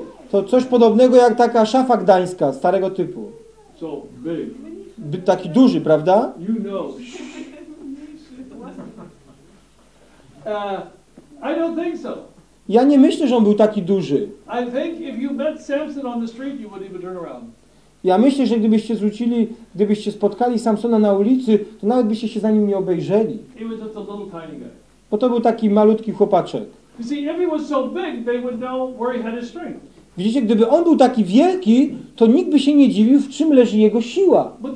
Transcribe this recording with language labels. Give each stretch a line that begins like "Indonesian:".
Polish: To coś podobnego jak taka szafa gdańska, starego typu.
English: So big.
Polish: Taki duży, prawda?
English: You know. I don't think so.
Polish: Ja nie myślę, że on był taki duży.
English: I think if you met Samson on the street, you wouldn't even turn around.
Polish: Ja myślę, że gdybyście spotkali Samsona na ulicy, to nawet byście się za nim nie obejrzeli.
English: He was just a little tiny guy.
Polish: Bo to był taki malutki chłopaczek.
English: You see, if he was so big, they would know where he had his strength.
Polish: Widzicie, gdyby on był taki wielki, to nikt by się nie dziwił, w czym leży jego siła.